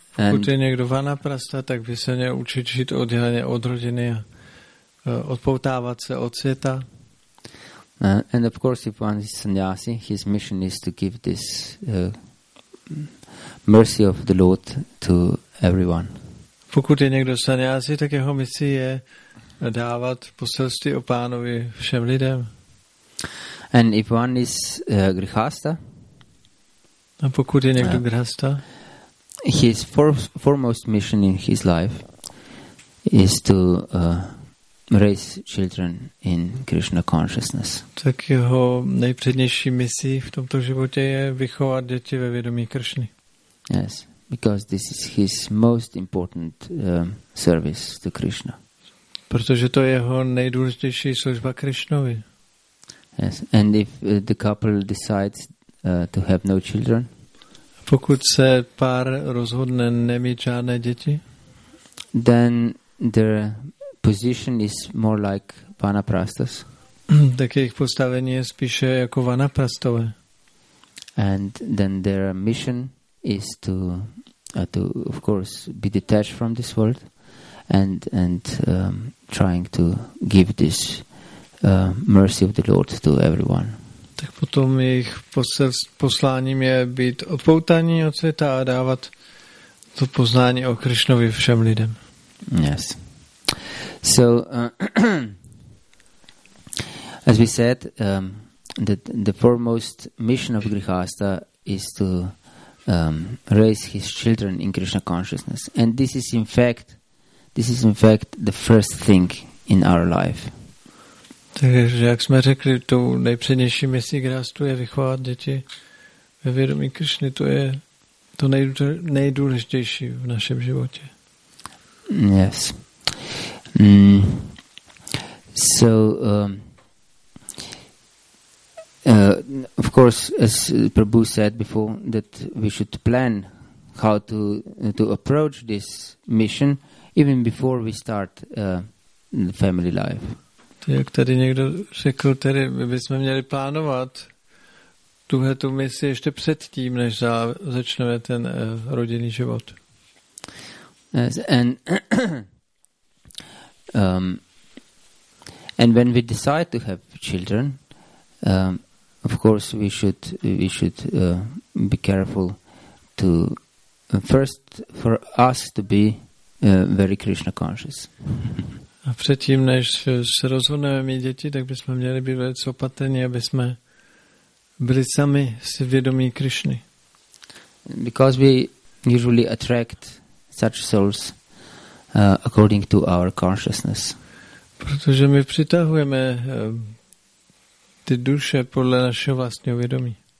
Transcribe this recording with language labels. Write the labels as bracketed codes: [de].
[cs] Pokud je někdo vanaprastha, tak by se měl učit žít odděleně od rodiny a odpoutávat se od světa. [en] And of course, if one is sannyasi, his mission is to give this mercy of the Lord to everyone. [cs] Pokud je někdo sannyasi, tak jeho misí je dávat poselství o Pánovi všem lidem. [en] And if one is grihastha, [cs] a pokud je někdo grihastha, [en] his foremost mission in his life is to raise children in Krishna consciousness. [cs] Tak jeho nejpřednější misí v tomto životě je vychovat děti ve vědomí Kršny. [en] Yes, because this is his most important service to Krishna. [cs] Protože to je jeho nejdůležitější služba Krishnovi. [en] Yes, and if the couple decides to have no children, [cs] pokud se pár rozhodne nemít žádné děti, [en] then their position is more like vanaprastas. [cs] Tak jejich postavení je spíše jako vanaprastové. [en] And then their mission is to of course be detached from this world and trying to give this mercy of the Lord to everyone. [cs] Tak potom jejich posláním je být odpoutaní od světa a dávat to poznání o Krišnovi všem lidem. [en] Yes. So as we said, the foremost mission of grihastha is to raise his children in Krishna consciousness, and this is in fact the first thing in our life. [cs] Takže jak jsme řekli, tou nejpřednější misí grihastha je vychovat děti ve vědomí Krišny. To je to nejdůležitější v našem životě. [en] Yes. So of course, as Prabhu said before, that we should plan how to approach this mission even before we start the family life. [cs] Jak tady někdo řekl, tady bychom měli plánovat tuhle tu misi ještě předtím, než začneme ten rodinný život. [en] Yes, and and when we decide to have children, of course we should be careful to first for us to be very Krishna conscious. [cs] A předtím, než se rozhodneme mít děti, tak bychom měli být velice opatrní, aby jsme byli sami si vědomí Krišny. [en] Because we usually attract such souls according to our consciousness. [cs] Protože my přitahujeme ty duše podle našeho vlastního vědomí.